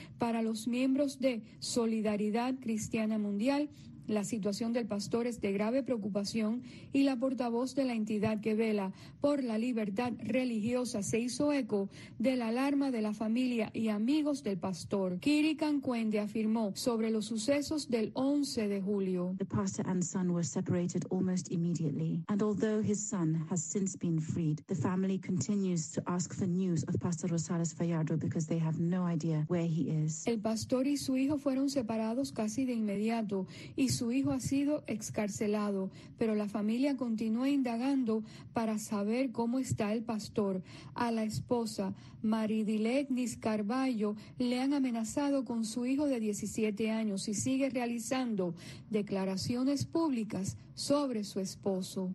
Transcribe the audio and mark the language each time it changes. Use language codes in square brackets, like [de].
[es] Para los miembros de Solidaridad Cristiana Mundial, la situación del pastor es de grave preocupación, y la portavoz de la entidad que vela por la libertad religiosa se hizo eco de la alarma de la familia y amigos del pastor. Kiri Cancuende afirmó sobre los sucesos del 11 de julio. [en] The pastor and son were separated almost immediately, and although his son has since been freed, the family continues to ask for news of Pastor Rosales Fajardo because they have no idea where he is. [es] El pastor y su hijo fueron separados casi de inmediato y su hijo ha sido excarcelado, pero la familia continúa indagando para saber cómo está el pastor. A la esposa, Maridilegnis Carballo, le han amenazado con su hijo de 17 años y sigue realizando declaraciones públicas sobre su esposo.